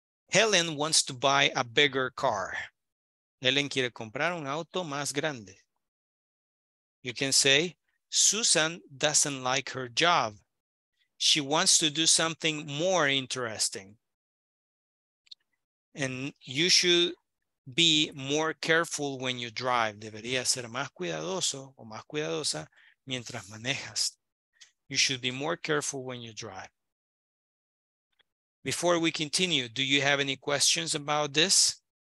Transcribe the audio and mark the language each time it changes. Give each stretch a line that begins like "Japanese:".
English: Helen wants to buy a bigger car.
Spanish: Helen quiere comprar un auto más grande.
English: You can say, Susan doesn't like her job. She wants to do something more interesting. And you should be more careful when you drive.
Spanish: Debería ser más cuidadoso o más cuidadosa mientras manejas.
English: You should be more careful when you drive. Before we continue, do you have any questions about this?